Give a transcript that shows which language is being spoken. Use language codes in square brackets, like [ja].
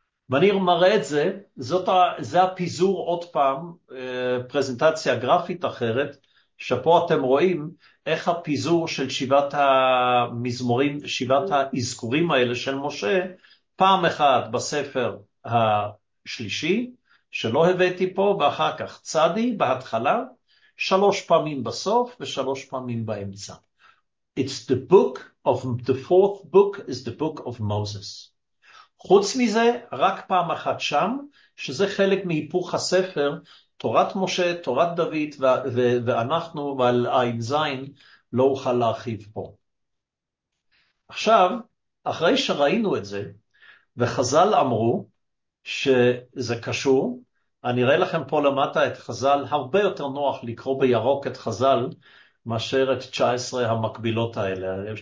[he] ואני מראה את זה, זה הפיזור עוד פעם, פרזנטציה גרפית אחרת, שפה אתם רואים איך הפיזור של שבעת המזמורים, שבעת האזכורים האלה של משה, פעם אחת בספר השלישי, שלא הבאתי פה, ואחר כך צדי בהתחלה, שלוש פעמים בסוף ושלוש פעמים באמצע. [en] It's the book of the fourth book is the book of Moses. [he] חוץ מזה, רק פעם אחת שם, שזה חלק מהיפוך הספר, תורת משה, תורת דוד, ואנחנו, ועל עין זין, לא אוכל להרחיב פה. עכשיו, אחרי שראינו את זה, וחז"ל אמרו שזה קשור, אני אראה לכם פה למטה את חז"ל, הרבה יותר נוח לקרוא בירוק את חז"ל מאשר את 19 המקבילות האלה.